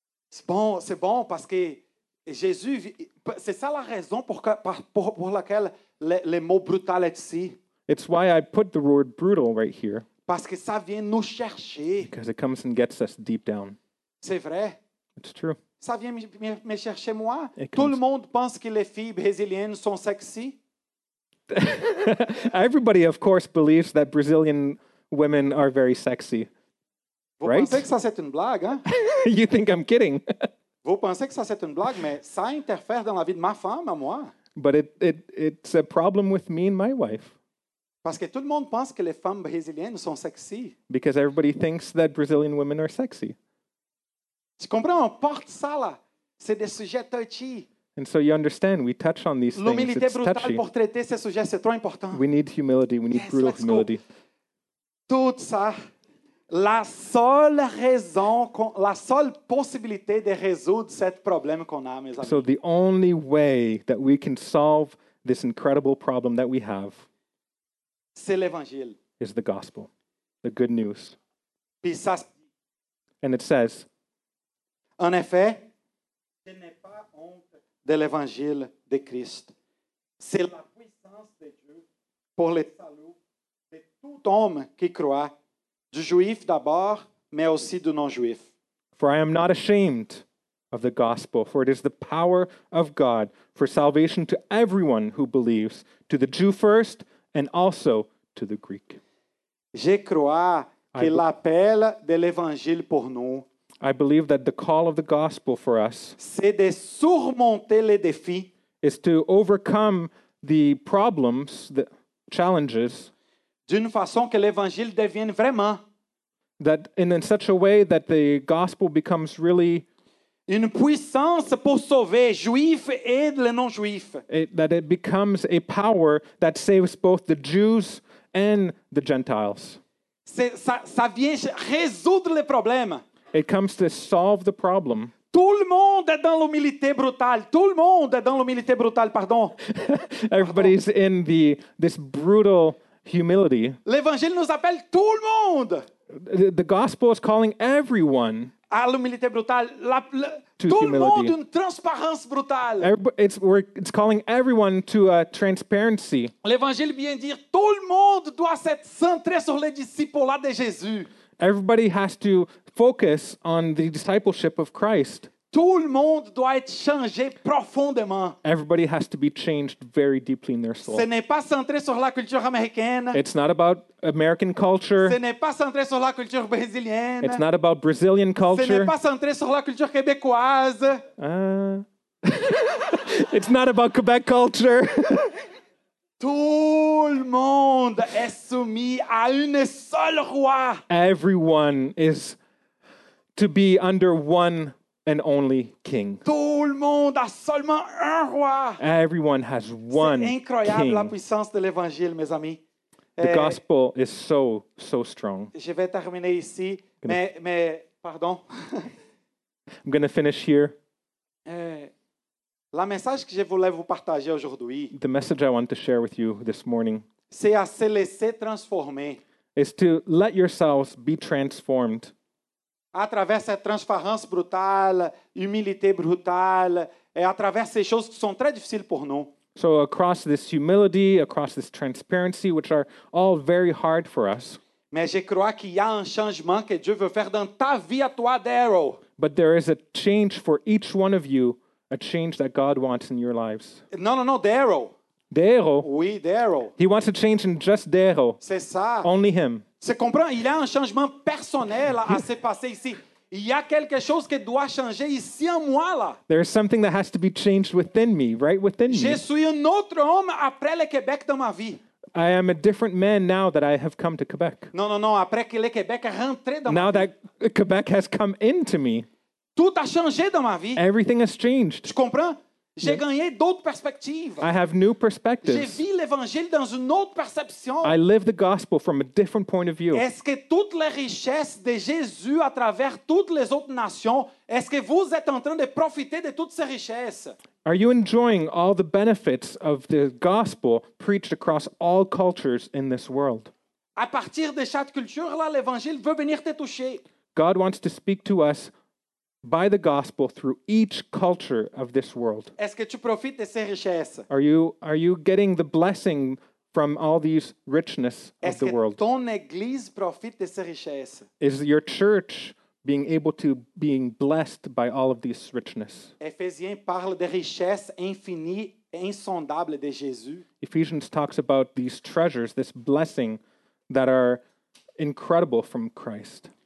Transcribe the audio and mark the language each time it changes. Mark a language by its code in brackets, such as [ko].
[fr] C'est bon parce que Jésus, c'est ça la raison pour laquelle le mot brutal est ici. [en] It's why I put the word brutal right here. [fr] Parce que ça vient nous chercher. [en] Because it comes and gets us deep down. [fr] C'est vrai. [en] It's true. [fr] Ça vient me chercher moi. Tout le monde pense que les filles brésiliennes sont sexy. [en] Everybody, of course, believes that Brazilian women are very sexy. [fr] Vous [en] right? [fr] Pensez que ça c'est une blague, hein? [en] You think I'm kidding? [fr] Vous pensez que ça c'est une blague, mais ça interfère dans la vie de ma femme à moi. [en] But it's a problem with me and my wife. [fr] Parce que tout le monde pense que les femmes brésiliennes sont sexy. [en] Because everybody thinks that Brazilian women are sexy. [fr] Tu comprends? On porte ça là. C'est des sujets touchy. [en] And so you understand, we touch on these [fr] L'humilité [en] things, it's [fr] touchy. Pour traiter ces sujets, c'est trop important. [en] We need humility, we need yes, brutal humility. [fr] Tout ça, la seule possibilité de résoudre cet problème qu'on a, mes amis. [en] So the only way that we can solve this incredible problem that we have [fr] c'est l'évangile. [en] Is the gospel, the good news. [fr] Puis ça, [en] and it says, [fr] en effet, ce n'est pas honte de l'Évangile de Christ. C'est la puissance de Dieu pour le salut de tout homme qui croit, du juif d'abord, mais aussi du non-juif. [en] For I am not ashamed of the gospel, for it is the power of God for salvation to everyone who believes, to the Jew first, and also to the Greek. [fr] Je crois que l'appel de l'Évangile pour nous [en] I believe that the call of the gospel for us [fr] c'est de surmonter les défis, [en] is to overcome the problems, the challenges, [fr] d'une façon que l'évangile devienne vraiment, [en] that in such a way that the gospel becomes really [fr] une puissance pour sauver juifs et les non-juifs. [en] That it becomes a power that saves both the Jews and the Gentiles. [fr] Ça vient résoudre le problème. [en] It comes to solve the problem. [fr] Tout le monde est dans l'humilité brutale. Tout le monde est dans l'humilité brutale, pardon. [en] Everybody's pardon. In this brutal humility. [fr] L'évangile nous appelle tout le monde. [en] The gospel is calling everyone. [fr] À l'humilité brutale. Tout [en] humility. [fr] Le monde une transparence brutale. [en] It's calling everyone to a transparency. [fr] L'évangile vient dire tout le monde doit être centré sur les disciples là de Jésus. [en] Everybody has to focus on the discipleship of Christ. [fr] Tout le monde doit être changé profondément. [en] Everybody has to be changed very deeply in their soul. [fr] Ce n'est pas centré sur la culture américaine. [en] It's not about American culture. [fr] Ce n'est pas centré sur la culture brésilienne. [en] It's not about Brazilian culture. [fr] Ce n'est pas centré sur la culture québécoise. [en] It's not about Quebec culture. [fr] Tout le monde est soumis à une seule roi. [en] Everyone is to be under one and only king. [fr] Tout le monde a seulement un roi. [en] Everyone has one king. [fr] C'est incroyable [en] king. [fr] La puissance de l'évangile, mes amis. [en] The gospel is so, so strong. [fr] Je vais terminer ici, pardon. [en] I'm going to finish here. [fr] La message que je voulais vous partager aujourd'hui, [en] the message I want to share with you this morning, [fr] c'est à se laisser transformer. [en] Is to let yourselves be transformed. [fr] À travers cette transparence brutale, humilité brutale, et à travers ces choses qui sont très difficiles pour nous. [en] So across this humility, across this transparency, which are all very hard for us. [fr] Mais je crois qu'il y a un changement que Dieu veut faire dans ta vie à toi, Daryl. [en] But there is a change for each one of you, a change that God wants in your lives. No, Daryl. Daryl? [fr] Oui, Daryl. [en] He wants a change in just Daryl. [fr] C'est ça. [en] Only him. [pt] Você compreende? [fr] Il y a un changement personnel à se passer ici. Il y a quelque chose que doit changer ici en moi là. [en] There is something that has to be changed within me, right within [fr] je [en] me. [fr] Je suis un autre homme après le Québec dans ma vie. [en] I am a different man now that I have come to Quebec. [fr] Non, après que le Québec est rentré dans [en] now [fr] ma vie. [en] Now that Quebec has come into me. [fr] Tout a changé dans ma vie. [en] Everything has changed. [fr] Tu comprends? J'ai gagné d'autres perspectives. [en] I have new perspectives. [fr] J'ai vu l'évangile dans une autre perception. [en] I live the gospel from a different point of view. [fr] Est-ce que toute la richesse de Jésus à travers toutes les autres nations, est-ce que vous êtes en train de profiter de toutes ces richesses? [en] Are you enjoying all the benefits of the gospel preached across all cultures in this world? [fr] À partir de chaque culture, là, l'évangile veut venir te toucher. [en] God wants to speak to us by the gospel through each culture of this world. [fr] Est-ce que tu profites de ces richesses? [en] Are you getting the blessing from all these richness [fr] est-ce [en] of the world? [fr] Est-ce que ton église profite de ces richesses? [en] Is your church being able to being blessed by all of this richness? [fr] Éphésiens parle de richesses infinies et insondables de Jésus. [en] Ephesians talks about these treasures, this blessing that are incredible from Christ.